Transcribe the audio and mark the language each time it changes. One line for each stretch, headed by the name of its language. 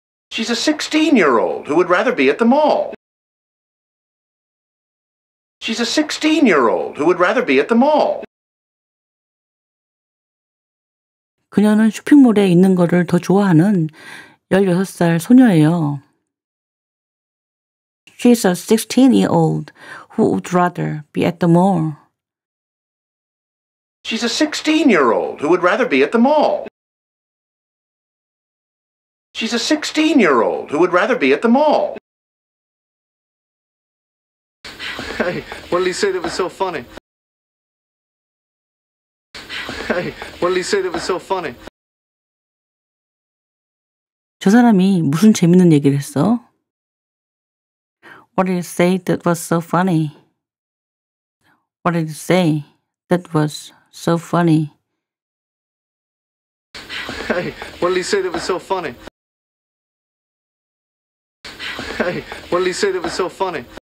English: She's a 16-year-old who would rather be at the mall. She's a 16-year-old who would rather be at the mall.
Korean: 그녀는 쇼핑몰에 있는 거를 더 좋아하는 16살 소녀예요.
English: She's a 16-year-old who would rather be at the mall. She's a 16-year-old who would rather be at the mall. She's a 16-year-old who would rather be at the mall. Hey, what did he say that was so funny? Hey, what did he say that was so funny?
Korean: 저 사람이 무슨 재밌는 얘기를 했어?
English: What did he say that was so funny? What did he say that was so funny? Hey, what did he say that was so funny? Hey, what did he say that was so funny?